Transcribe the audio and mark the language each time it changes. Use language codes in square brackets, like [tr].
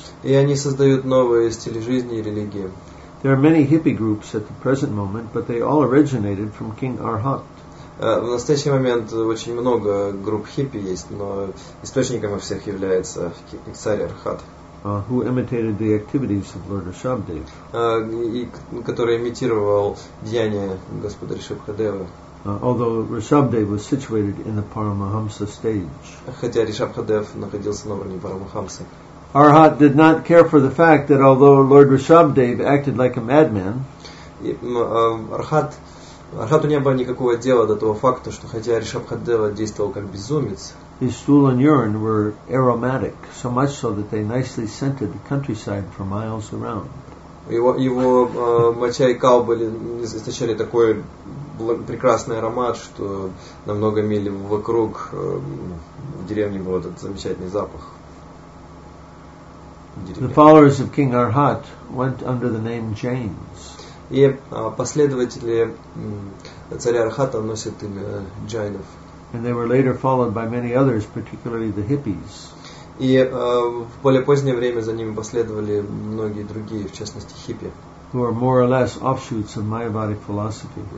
[ru] И они создают новые стили жизни и религии. [en] There are many hippie groups at the present moment, but they all originated from King Arhat. [ru] В настоящий момент очень много групп хиппи есть, но источником всех является царь Архат. [en] Who imitated the activities of Lord Rishabhdev. [ru] И который имитировал деяния Господа Ришабхадевы. [en] Although Rishabhdev was situated in the Paramahamsa stage. [ru] Хотя Ришабхадев находился на уровне Парамахамсы. [en] Arhat did not care for the fact that although Lord Rishabhdev acted like a madman, [ru] Arhat не было никакого дела до того факта, что хотя Ришабхадева действовал как безумец, [en] his stool and urine were aromatic, so much so that they nicely scented the countryside for miles around. [ru] Его моча и кал были источали такой прекрасный аромат, что на много миль вокруг в деревне был этот замечательный запах. [en] The followers of King Arhat went under the name Jains. [ru] И последователи царя Архата носят имя Джайнов. [en] And they were later followed by many others, particularly the hippies. [ru] И в более позднее время за ними последовали многие другие, в частности хиппи, [en] who are more or less offshoots of Mayavadi philosophy,